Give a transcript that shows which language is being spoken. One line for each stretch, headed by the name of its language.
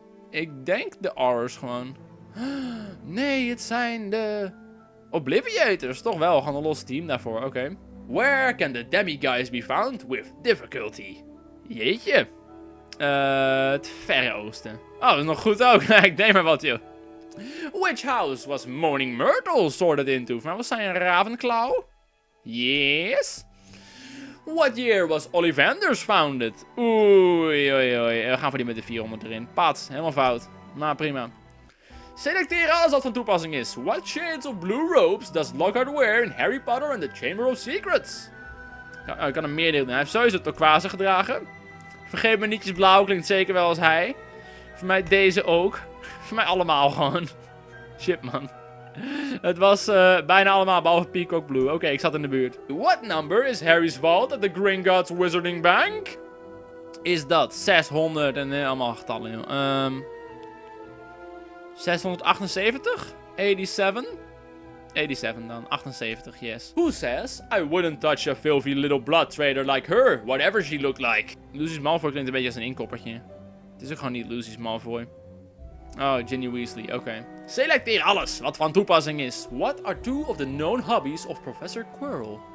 Dutch: Ik denk de Aurors gewoon... Nee, het zijn de... Obliviators, toch wel. Gewoon een los team daarvoor, oké.
English: Where can the demiguys be found with difficulty?
Dutch: Jeetje. Het Verre Oosten. Oh, dat is nog goed ook. Ik deed maar wat, joh.
English: Which house was Moaning Myrtle sorted into?
Dutch: Maar was zij een Ravenclaw? Yes.
English: What year was Ollivanders founded?
Dutch: Oei, oei, oei. We gaan voor die met de 400 erin. Pats, helemaal fout. Maar prima. Selecteer alles wat van toepassing is.
English: What shades of blue robes does Lockhart wear in Harry Potter and the Chamber of Secrets?
Dutch: Ik kan hem meer delen. Hij heeft sowieso turquoise gedragen. Vergeet me niet, is blauw klinkt zeker wel als hij. Voor mij deze ook. Voor mij allemaal gewoon. Shit man. Het was bijna allemaal behalve peacock blue. Oké, ik zat in de buurt.
English: What number is Harry's vault at the Gringotts Wizarding Bank? is dat?
Dutch: 600 en allemaal getallen. 678?
English: 78 dan, 78, yes. Who says, I wouldn't touch a filthy little blood trader like her, whatever she looked like.
Dutch: Lucius Malfoy klinkt een beetje als een inkoppertje. Het is ook gewoon niet Lucius Malfoy. Oh, Ginny Weasley, oké. Okay. Selecteer alles wat van toepassing is.
English: What are two of the known hobbies of Professor Quirrell?